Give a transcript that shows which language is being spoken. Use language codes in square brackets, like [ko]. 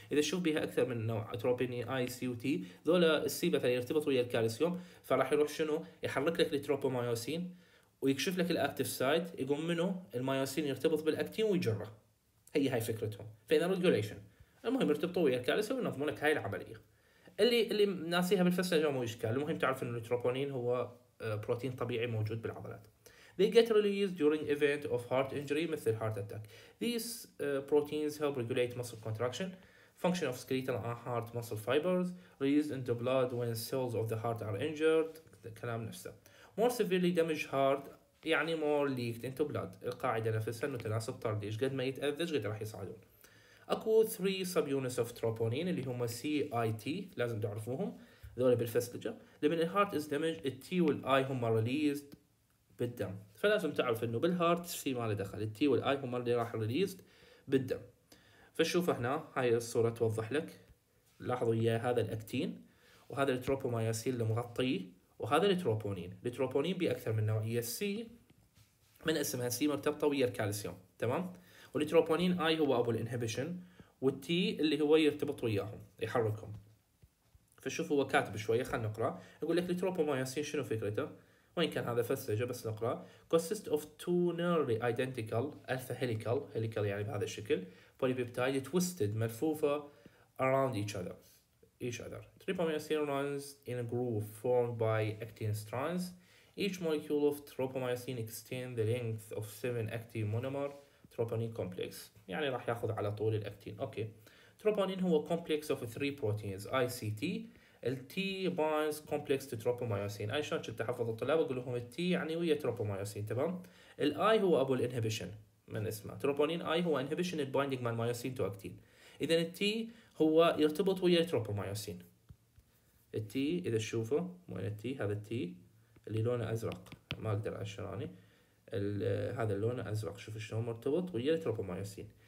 [ar] اذا شوف بها اكثر من نوع تروبونين اي سي يو تي، ذولا السي مثلا يرتبط ويا الكالسيوم، فراح يروح شنو يحرك لك التروبومايوسين ويكشف لك الاكتيف سايت، يقوم منه المايوسين يرتبط بالاكتين ويجره. هاي فكرتهم. فاذا ريجوليشن، المهم يرتبطوا ويا الكالسيوم وينظمون لك هاي العمليه. اللي ناسيها بالفلسفه جو مو اشكال، المهم تعرف ان التروبونين هو بروتين طبيعي موجود بالعضلات. [en] They get released during event of heart injury [ar] مثل [en] heart attack. These proteins help regulate muscle contraction, function of skeletal and heart muscle fibers, released into blood when cells of the heart are injured. [ar] كلام نفسه. [en] More severely damaged heart [ar] يعني [en] more leaked into blood. [ar] القاعدة نفسها انه تناسب طردي، ايش قد ما يتأذى ايش قد راح يصعدون. اكو 3 [en] subunits of troponin [ar] اللي هم CIT، لازم تعرفوهم ذولا بالفسلجة. لمن الهارت از دامج التي والاي هم ريليزد بالدم، فلازم تعرف انه بالهارت سي ما له دخل، التي والاي هم اللي راح ريليزد بالدم. فشوف هنا هاي الصوره توضح لك، لاحظوا يا هذا الاكتين وهذا التروبومايوسين اللي مغطيه وهذا التروبونين. التروبونين باكثر من نوعيه، سي من اسمها سي مرتبطه ويا الكالسيوم، تمام، والتروبونين اي هو ابو الانهبيشن، والتي اللي هو يرتبط وياهم يحركهم. فشوف هو كاتب شويه، خلينا نقرا. يقول لك التروبومايوسين شنو فكرته، وين كان هذا فسجه بس نقرا. [en] consists of two nearly identical alpha helical، helical [ar] يعني بهذا الشكل، [en] polypeptide twisted [ar] ملفوفه [en] around each other. التروبومايوسين runs in a groove formed by actin strands. each molecule of tropomyosin extends the length of 7 actin monomer troponin complex. [ar] يعني راح ياخذ على طول الاكتين. اوكي، التروبونين هو [en] complex of three proteins ICT. ال T binds complex to tropomyosin. [ar] أي شلون كنت أحفظ الطلاب أقول لهم ال T يعني ويا tropomyosin، تمام. ال I هو أبو الانهبيشن من اسمه، تروبونين I هو [en] inhibition of binding [ar] من مايوسين [en] to actin. [ar] إذا ال T هو يرتبط ويا tropomyosin. ال T إذا شوفه، وين ال T؟ هذا ال T اللي لونه أزرق، ما أقدر أشراني هذا اللون أزرق، شوف شلون مرتبط ويا tropomyosin.